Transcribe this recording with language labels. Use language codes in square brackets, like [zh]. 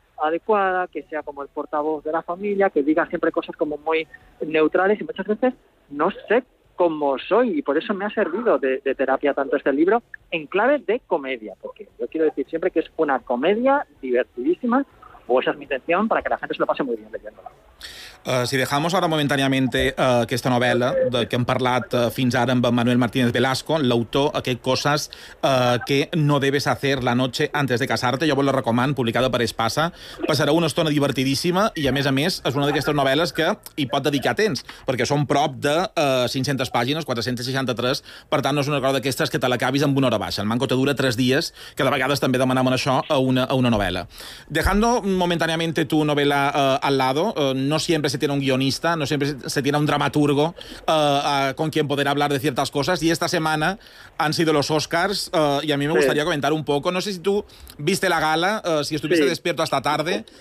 [es] adecuada, que sea como el portavoz de la familia, que diga siempre cosas como muy neutrales, y muchas veces no sé como soy, y por eso me ha servido de terapia tanto este libro, en clave de comedia, porque yo quiero decir siempre que es una comedia divertidísima, o esa es mi intención, para que la gente se lo pase muy bien leyéndola. [ca] Si dejamos ahora momentàniament aquesta novel·la de que hem parlat fins ara amb Manuel Martínez Velasco, l'autor, que coses que no debes hacer la noche antes de casarte, jo vos la recomano, publicada per Espasa, passarà una estona divertidíssima i, a més, és una d'aquestes novel·les que hi pot dedicar temps, perquè són prop de 500 pàgines, 463, per tant, no és una cosa d'aquestes que te l'acabis amb una hora baixa. El manco te dura 3 dies, que de vegades també demanem això a una novel·la. [es] Dejando momentàniament tu novel·la al lado, no sé siempre se tiene un guionista, no siempre se tiene un dramaturgo con quien poder hablar de ciertas cosas, y esta semana han sido los Oscars y a mí me gustaría comentar un poco, no sé si tú viste la gala, si estuviste despierto hasta tarde.